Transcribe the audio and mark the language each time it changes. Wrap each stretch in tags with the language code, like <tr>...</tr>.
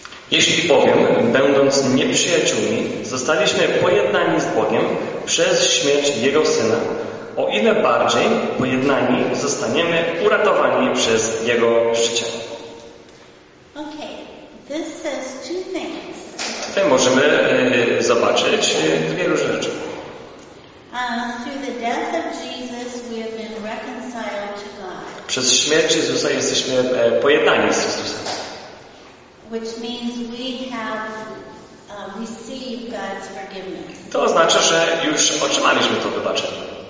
<pl>Jeśli bowiem, będąc nieprzyjaciółmi, zostaliśmy pojednani z Bogiem przez śmierć Jego Syna, o ile bardziej pojednani zostaniemy uratowani przez Jego życie.</pl> <en>Okay. This says two things.</en> <pl>Tutaj możemy zobaczyć dwie różne rzeczy.</pl> <en>Through the death of Jesus, we have been reconciled to God.</en> <pl>Przez śmierć Jezusa jesteśmy pojednani z Chrystusem.</pl> <en>Which means we have received God's forgiveness.</en> <pl>To oznacza, że już otrzymaliśmy to wybaczenie.</pl>